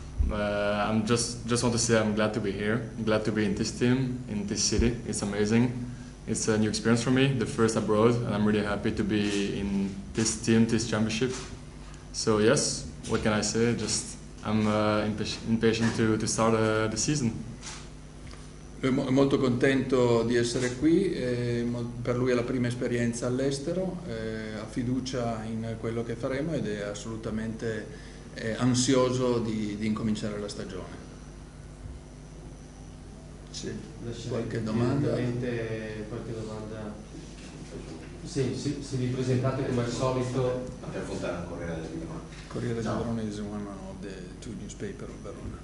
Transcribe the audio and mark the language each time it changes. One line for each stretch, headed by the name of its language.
English: I'm just want to say I'm glad to be here. I'm glad to be in this team, in this city. It's amazing. It's a new experience for me, the first abroad, and I'm really happy to be in this team, this championship. So yes, what can I say? Just I'm impatient to start the season.
Italian: È molto contento di essere qui, per lui è la prima esperienza all'estero, ha fiducia in quello che faremo ed è assolutamente ansioso di incominciare la stagione. Sì, qualche domanda? Qualche domanda? Sì, sì, se vi presentate come al solito. Per affrontare Corriere del Verona.
English: Corriere del Verona is one of the two newspapers of Verona.